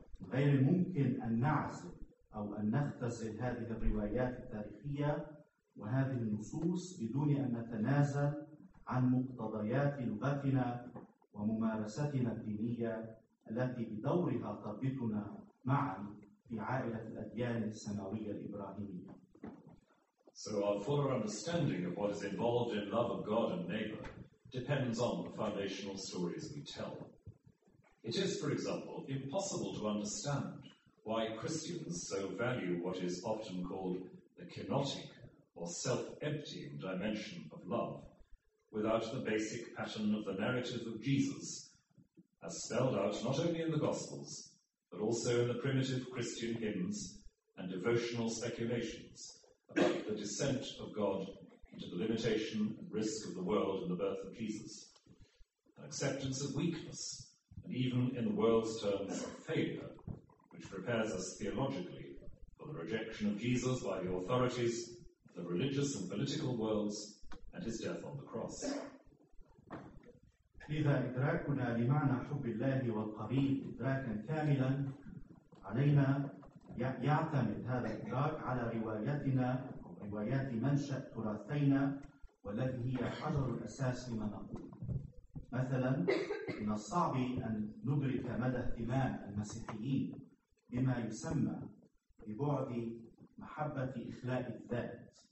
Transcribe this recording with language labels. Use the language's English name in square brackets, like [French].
[Arabic] غير ممكن أن نعزل أو أن نختزل هذه الروايات التاريخية وهذه النصوص بدون أن نتنازل عن مقتضيات لغتنا وممارستنا الدينية التي بدورها تربطنا معا في عائلة الأديان السماوية الإبراهيمية. [English] So our fuller understanding of what is involved in love of God and neighbor depends on the foundational stories we tell. It is, for example, impossible to understand why Christians so value what is often called the kenotic or self-emptying dimension of love without the basic pattern of the narrative of Jesus as spelled out not only in the Gospels, but also in the primitive Christian hymns and devotional speculations about the descent of God into the limitation and risk of the world in the birth of Jesus, an acceptance of weakness, and even in the world's terms of failure, which prepares us theologically for the rejection of Jesus by the authorities, the religious and political worlds, and his death on the cross. [Arabic] إذا إدراكنا لمعنى حب الله والقريب إدراكا كاملا علينا يعتمد هذا الإدراك على روايتنا أو روايات منشأ تراثينا والتي هي حجر الأساس لما نقول مثلا من الصعب أن ندرك مدى اهتمام المسيحيين بما يسمى ببعد محبة إخلاء الذات